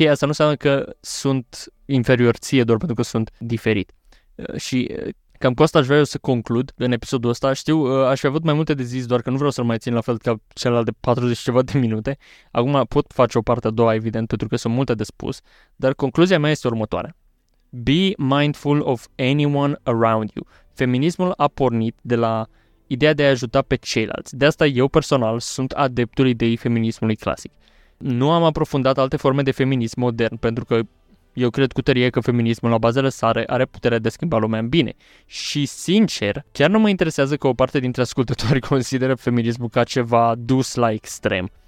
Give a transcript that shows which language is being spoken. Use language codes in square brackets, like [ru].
[ro] Asta nu înseamnă că sunt inferior ție doar pentru că sunt diferit. Și cam cu asta aș vrea eu să conclud în episodul ăsta. Știu, aș fi avut mai multe de zis, doar că nu vreau să-l mai țin la fel ca celălalt de 40 ceva de minute. Acum pot face o parte a doua, evident, pentru că sunt multe de spus. Dar concluzia mea este următoarea. [en] Be mindful of anyone around you. [ro] Feminismul a pornit de la ideea de a ajuta pe ceilalți. De asta eu personal sunt adeptul ideii feminismului clasic. Nu am aprofundat alte forme de feminism modern, pentru că eu cred cu tărie că feminismul la bazele sale are puterea de a schimba lumea în bine. Și sincer, chiar nu mă interesează că o parte dintre ascultători consideră feminismul ca ceva dus la extrem.